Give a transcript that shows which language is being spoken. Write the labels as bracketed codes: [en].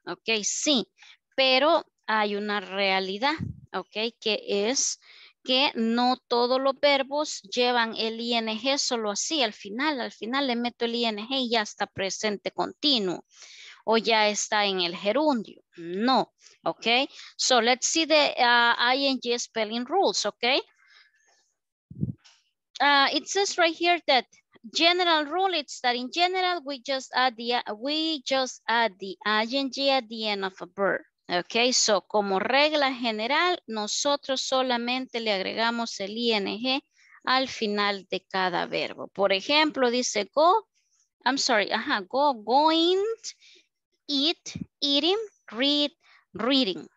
[es] Okay, sí, pero hay una realidad, okay, que es que no todos los verbos llevan el ing solo así, al final le meto el ing y ya está presente continuo, o ya está en el gerundio, no, ok, [en] so let's see the ing spelling rules, [es] ok, [en] It says right here that general rule, it's that in general, we just add the ing at the end of a verb. [es] Okay, so como regla general, nosotros solamente le agregamos el ing al final de cada verbo. Por ejemplo, dice go, I'm sorry, ajá, go, going, eat, eating, read, reading.